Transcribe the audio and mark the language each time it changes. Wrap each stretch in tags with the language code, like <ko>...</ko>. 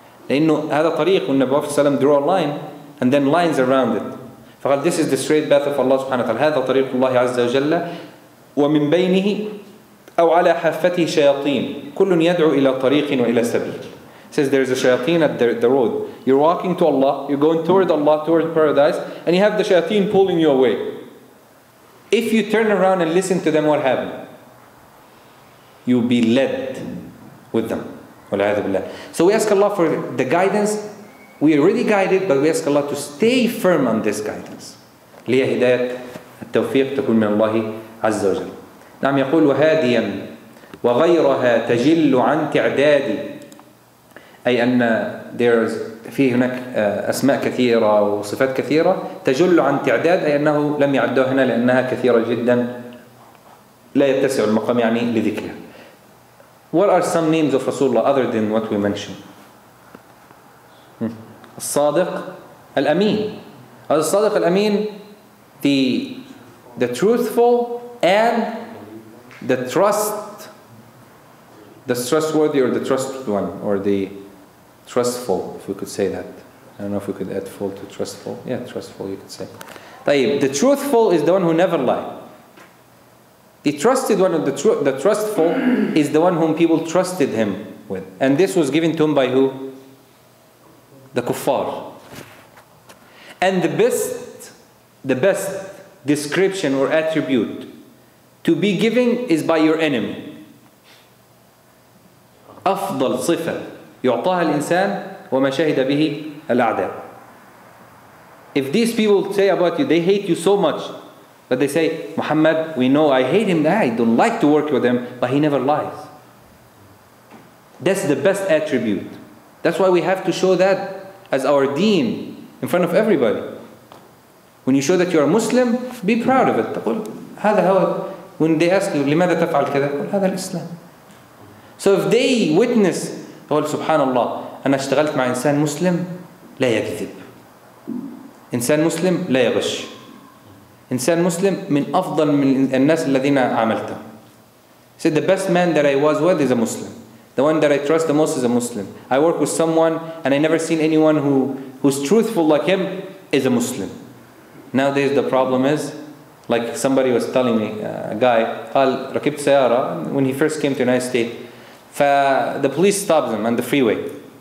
<ar>لأنه هذا طريق والنبي صلى الله عليه وسلم</ar> <en>draw a line and then lines around it. فقال this is the straight path of Allah سبحانه وتعالى.</en> <ar>هذا طريق الله عز وجل ومن بينه أو على حافته شياطين كل يدعو إلى طريق وإلى سبيل.</ar> <en>says there's a shayateen at the road. You're walking to Allah, you're going toward Allah, toward paradise, and you have the shayateen pulling you away. If you turn around and listen to them, what happened? You'll be led with them. So we ask Allah for the guidance. We are already guided, but we ask Allah to stay firm on this guidance.</en> <ar>لِيَ هِدَيَةَ التَّوْفِيقِ تَكُونَ مِنَ اللَّهِ عَزَّ وَجَلَّ. نعم يقول وهادياً وغيرها تجل عن تعدادي. أي أن فيه هناك أسماء كثيرة وصفات كثيرة تجل عن تعداد, أي أنه لم يعدوه هنا لأنها كثيرة جدا لا يتسع المقام يعني لذكرها.</ar> <en>What are some names of Rasulullah other than what we mentioned?</en> <ar>الصادق الأمين. الصادق الأمين,</ar> <en>the truthful and the trust, the trustworthy or the trusted one, or the trustful, if we could say that. I don't know if we could add full to trustful. Yeah, trustful you could say. طيب, the truthful is the one who never lie. The trusted one, or the trustful, is the one whom people trusted him with. And this was given to him by who? The kuffar. And the best description or attribute to be given is by your enemy.</en> <ar>أفضل صفة يعطاها الإنسان وما شهد به الأعداء.</ar> <en>If these people say about you, they hate you so much, but they say, Muhammad, we know, I hate him, I don't like to work with him, but he never lies. That's the best attribute. That's why we have to show that as our deen in front of everybody. When you show that you are Muslim, be proud of it.</en> <ar>تقول هذا هو.</ar> <en>When they ask you,</en> <ar>لماذا تفعل كذا, قل هذا الإسلام.</ar> <en>So if they witness,</en> <ar>قول سبحان الله, أنا اشتغلت مع إنسان مسلم لا يكذب, إنسان مسلم لا يغش, إنسان مسلم من أفضل من الناس الذين عملتهم.</ar> <en>Said the best man that I was with is a Muslim. The one that I trust the most is a Muslim. I work with someone and I never seen anyone who's truthful like him is a Muslim. Nowadays the problem is, like somebody was telling me, a guy,</en> <ar>قال ركبت سيارة,</ar> <en>when he first came to the United States, the police stopped him on the freeway.</en>